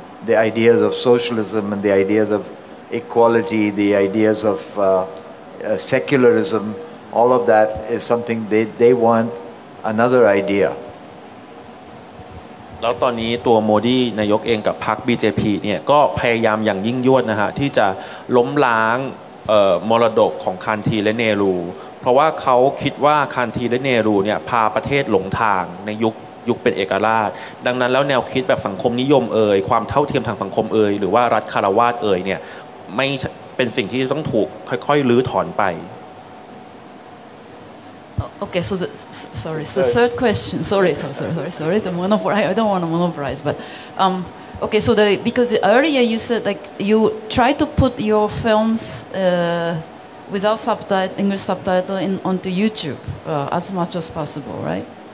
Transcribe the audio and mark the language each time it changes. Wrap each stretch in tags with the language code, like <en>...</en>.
<en>The ideas of socialism and the ideas of equality, the ideas of secularism, all of that is something they want another idea.</en> <th>แล้วตอนนี้ตัวโมดีนายกเองกับพรรค BJP เนี่ยก็พยายามอย่างยิ่งยวดนะฮะที่จะล้มล้างมรดกของคานทีและเนรูเพราะว่าเขาคิดว่าคานทีและเนรูเนี่ยพาประเทศหลงทางในยุคเป็นเอกราชดังนั้นแล้วแนวคิดแบบสังคมนิยมเอ่ยความเท่าเทียมทางสังคมเอ่ยหรือว่ารัฐคารวาสเอ่ยเนี่ยไม่เป็นสิ่งที่ต้องถูกค่อยๆรื้อถอนไป</th> <en>โอเค so the third question, the monopolize, but okay so the because earlier you said like you try to put your films without subtitle, English subtitle in, onto YouTube as much as possible, right?</en>